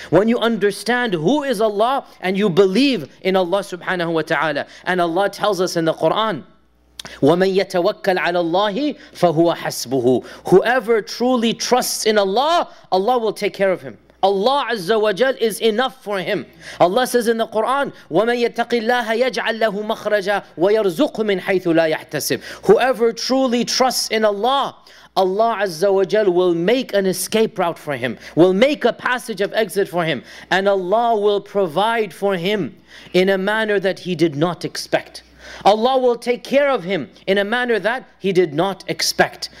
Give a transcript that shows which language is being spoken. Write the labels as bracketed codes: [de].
[en] When you understand who is Allah and you believe in Allah subhanahu wa ta'ala. And Allah Allah tells us in the Quran, [ar] وَمَن يَتَوَكَّلْ عَلَى اللَّهِ فَهُوَ حَسْبُهُ. [en] Whoever truly trusts in Allah, Allah will take care of him. Allah Azza wa Jal is enough for him. Allah says in the Quran, [ar] وَمَن يَتَّقِ اللَّهَ يَجْعَلْ لَهُ مَخْرَجًا وَيَرْزُقُ مِنْ حَيْثُ لَا يَحْتَسِبْ. [en] Whoever truly trusts in Allah, Allah Azza wa Jal will make an escape route for him, will make a passage of exit for him, and Allah will provide for him in a manner that he did not expect. Allah will take care of him in a manner that he did not expect.